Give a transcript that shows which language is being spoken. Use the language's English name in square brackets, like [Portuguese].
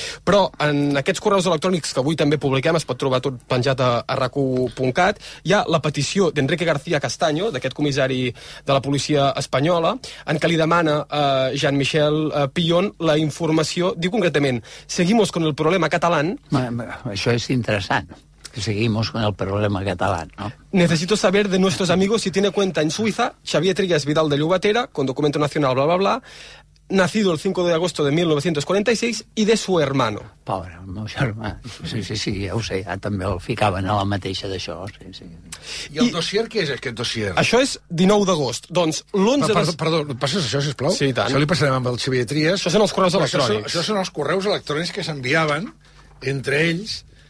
[Catalan] Però en aquests correus electrònics que avui també publiquem, es pot trobar tot penjat a RAC1.cat, hi ha la petició d'Enrique García Castaño, d'aquest comissari de la policia espanyola, en què li demana a Jean-Michel Pillon la informació, diu concretament, [Spanish] seguimos con el problema catalán. [Catalan] Això és interessant. [Spanish] Seguimos con el problema catalán, ¿no? Necesito saber de nuestros amigos si tiene cuenta en Suiza, Xavier Trias Vidal de Llobatera, con documento nacional, bla, bla, bla, nacido el 5 de agosto de 1946 y de su hermano. [Catalan] Pobre, el meu germà. Sí, sí, sí, ja ho sé, ja també el ficaven a la mateixa d'això. Sí, sí. I el dossier, què és aquest dossier? Això és 19 d'agost. Doncs l'11... Perdó, passes això, sisplau? Sí, i tant. Això li passarem amb el Xavier Trias. Això són els correus electrònics. Això són els correus electrònics que s'enviaven entre ells...